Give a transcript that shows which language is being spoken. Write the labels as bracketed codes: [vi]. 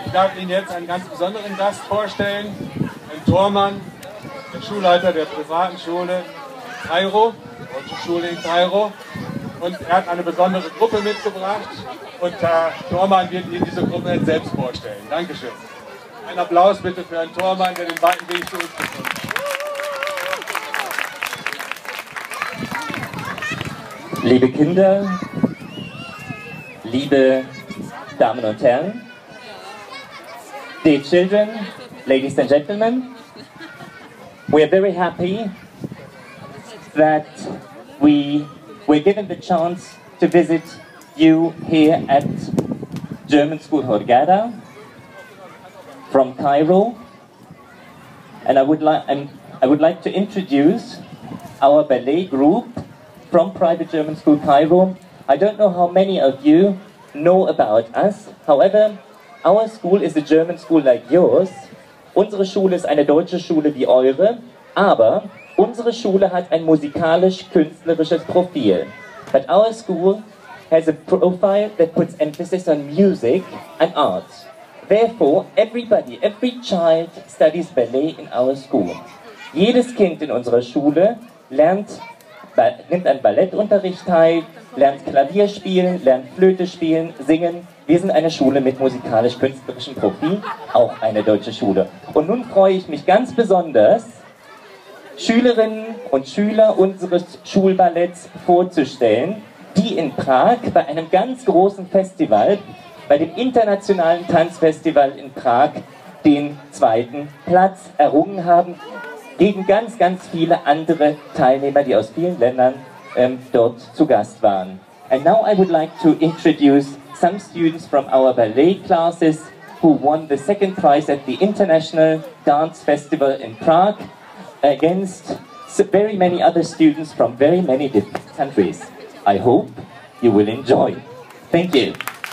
[de] Ich darf Ihnen jetzt einen ganz besonderen Gast vorstellen, den Tormann, den Schulleiter der privaten Schule in Kairo, Deutsche Schule in Kairo. Und er hat eine besondere Gruppe mitgebracht. Und Herr Tormann wird Ihnen diese Gruppe jetzt selbst vorstellen. Dankeschön. Ein Applaus bitte für Herrn Tormann, der den weiten Weg zu uns gefunden hat. Liebe Kinder, liebe Damen und Herren, [en] dear children, ladies and gentlemen, we are very happy that we were given the chance to visit you here at German School Hurghada from Kairo, and I would like to introduce our ballet group from Private German School Kairo. I don't know how many of you know about us. However, our school is a German school like yours. [de] Unsere Schule ist eine deutsche Schule wie eure. Aber unsere Schule hat ein musikalisch-künstlerisches Profil. [en] But our school has a profile that puts emphasis on music and art. Therefore, everybody, every child studies ballet in our school. [de] Jedes Kind in unserer Schule lernt nimmt an Ballettunterricht teil, lernt Klavier spielen, lernt Flöte spielen, singen. Wir sind eine Schule mit musikalisch-künstlerischem Profil, auch eine deutsche Schule. Und nun freue ich mich ganz besonders, Schülerinnen und Schüler unseres Schulballetts vorzustellen, die in Prag bei einem ganz großen Festival, bei dem internationalen Tanzfestival in Prag, den zweiten Platz errungen haben. Gegen ganz, ganz viele andere Teilnehmer, die aus vielen Ländern dort zu Gast waren. [en] And now I would like to introduce some students from our ballet classes who won the second prize at the International Dance Festival in Prague against very many other students from very many different countries. I hope you will enjoy. Thank you.